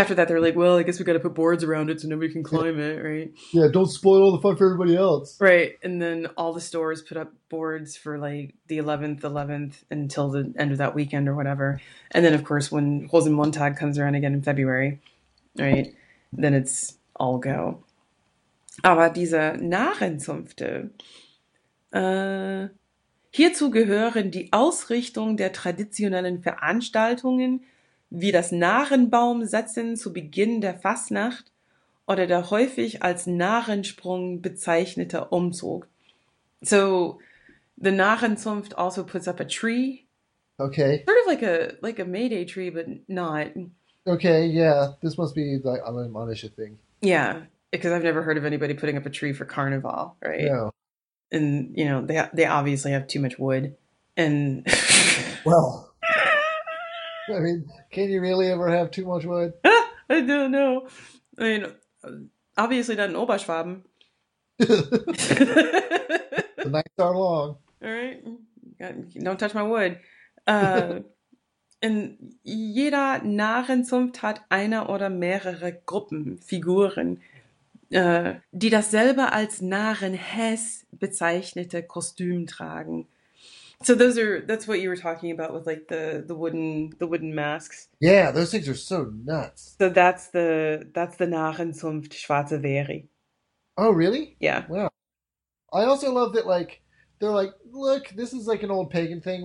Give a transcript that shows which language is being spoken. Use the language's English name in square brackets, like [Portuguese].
[English] after that, they're like, well, I guess we got to put boards around it so nobody can climb it, right? Don't spoil all the fun for everybody else. Right. And then all the stores put up boards for like the 11th, 11th until the end of that weekend or whatever. And then, of course, when Rosenmontag comes around again in February, right, then it's all go. [German] Aber diese Narrenzünfte, hierzu gehören die Ausrichtung der traditionellen Veranstaltungen wie das Narrenbaumsetzen zu Beginn der Fasnacht oder der häufig als Narrensprung bezeichnete Umzug. [English] So, the Narrenzunft also puts up a tree, Okay. sort of like a May Day tree, but not. Okay, yeah, this must be the Amish thing. Yeah. Because I've never heard of anybody putting up a tree for Carnival, right? No. And they obviously have too much wood. And Well, I mean, can you really ever have too much wood? I don't know. I mean, obviously not in Oberschwaben. The All nights are long. right, don't touch my wood. [German] In jeder Narrenzunft hat einer oder mehrere Gruppen, Figuren, die dasselbe als Narrenhess bezeichnete Kostüm tragen. [English] So that's what you were talking about with like the wooden masks. Yeah, those things are so nuts. So that's the Narrenzunft Schwarze Veri. Oh, really? Yeah. Wow. I also love that, like, they're like, look, this is like an old pagan thing.